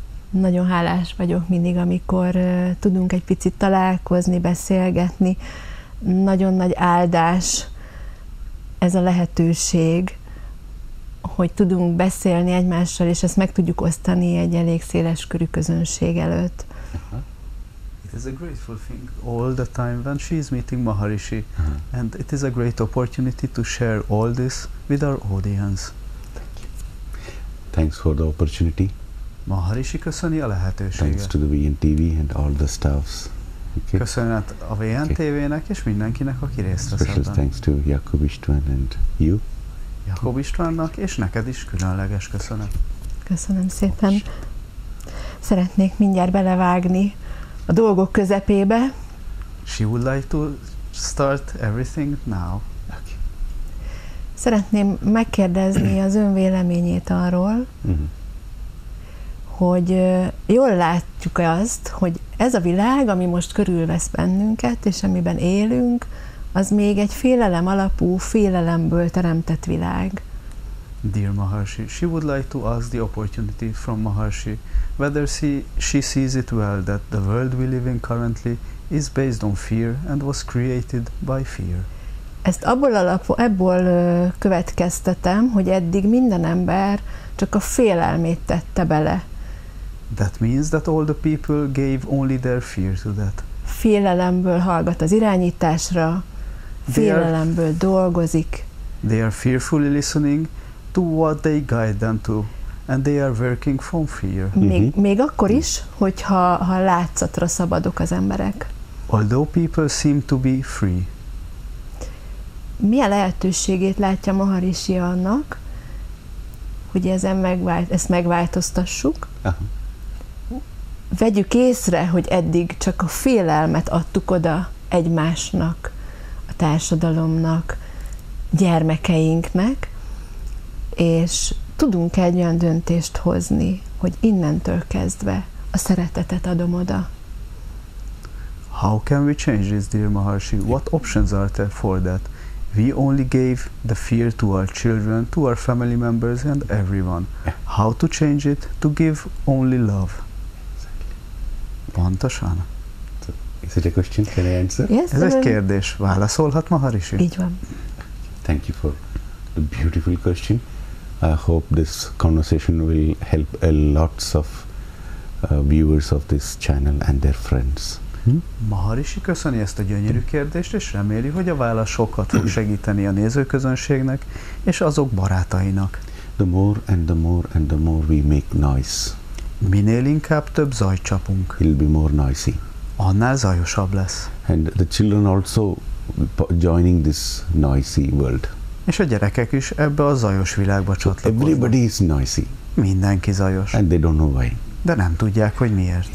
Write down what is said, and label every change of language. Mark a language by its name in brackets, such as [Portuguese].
[Hungarian] Nagyon hálás vagyok mindig, amikor tudunk egy picit találkozni, beszélgetni. Nagyon nagy áldás ez a lehetőség, hogy tudunk beszélni egymással, és ezt meg tudjuk osztani egy elég széles körű közönség előtt. [English] It is a grateful thing all the time when she is meeting Maharishi, and it is a great opportunity to share all this with our audience. Thank you. Thanks for the opportunity. [Hungarian] Maharishi, köszöni a lehetőséget. [English] Thanks to the VNTV and all the staffs. Okay. [Hungarian] Köszönet a VNTV-nek és mindenkinek, aki részt vesz ebben. [English] Special thanks to Jakub István and you. [Hungarian] Jakob Istvánnak, és neked is különleges köszönet. Köszönöm szépen. Szeretnék mindjárt belevágni a dolgok közepébe. [English] She would like to start everything now. Okay. [Hungarian] Szeretném megkérdezni az ön véleményét arról, hogy jól látjuk-e azt, hogy ez a világ, ami most körülvesz bennünket, és amiben élünk, az még egy félelem alapú, félelemből teremtett világ. [English] Dear Maharshi, she would like to ask the opportunity from Maharshi whether she sees it well that the world we live in currently is based on fear and was created by fear. [Hungarian] Ezt abból alapú, ebből következtetem, hogy eddig minden ember csak a félelmét tette bele. [English] That means that all the people gave only their fear to that. [Hungarian] Félelemből hallgat az irányításra, félelemből dolgozik. [English] They are fearfully listening to what they guide them to, and they are working from fear. [Hungarian] Még akkor is, hogyha ha látszatra szabadok az emberek. [English] Although people seem to be free. [Hungarian] Milyen lehetőségét látja Maharishi annak, hogy ezen ezt megváltoztassuk? Vegyük észre, hogy eddig csak a félelmet adtuk oda egymásnak, társadalomnak, gyermekeinknek, és tudunk egy olyan döntést hozni, hogy innentől kezdve a szeretetet adom oda. [English] How can we change this, dear Maharshi? What options are there for that? We only gave the fear to our children, to our family members and everyone. How to change it? To give only love. [Hungarian] Pontosan. [English] Is it a question? Can I answer? Yes. [Hungarian] Ez egy kérdés. Válaszolhat Maharishi? Így van. [English] Thank you for the beautiful question. I hope this conversation will help a lots of viewers of this channel and their friends. [Hungarian] Maharishi köszöni ezt a gyönyörű kérdést, és reméli, hogy a válasz sokat fog segíteni a nézőközönségnek és azok barátainak. [English] The more and the more and the more we make noise. [Hungarian] Minél inkább több zaj csapunk. [English] It'll be more noisy. [Hungarian] Annál zajosabb lesz. [English] And the children also joining this noisy world. [Hungarian] És a gyerekek is ebbe a zajos világba csatlakoznak. [English] Everybody is noisy. [Hungarian] Mindenki zajos. [English] And they don't know why. [Hungarian] De nem tudják, hogy miért.